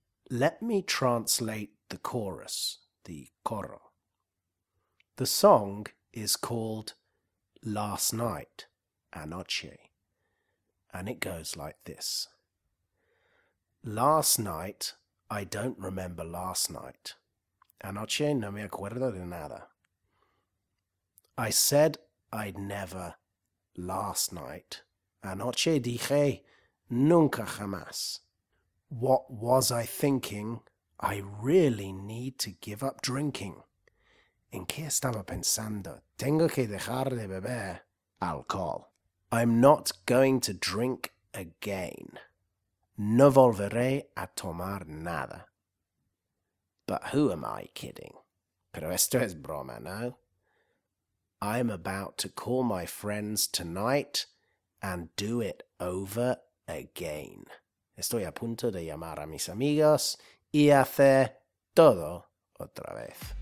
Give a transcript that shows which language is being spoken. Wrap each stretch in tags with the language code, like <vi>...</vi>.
<en>Let me translate the chorus. The coro. The song is called Last Night, Anoche, and it goes like this. Last night, I don't remember last night.</en> <es>Anoche, no me acuerdo de nada.</es> <en>I said I'd never last night.</en> <es>Anoche dije nunca jamás.</es> <en>What was I thinking? I really need to give up drinking.</en> <es>¿En qué estaba pensando? Tengo que dejar de beber alcohol.</es> <en>I'm not going to drink again.</en> <es>No volveré a tomar nada.</es> <en>But who am I kidding?</en> <es>Pero esto es broma, ¿no?</es> <en>I'm about to call my friends tonight and do it over again.</en> <es>Estoy a punto de llamar a mis amigos y hacer todo otra vez.</es>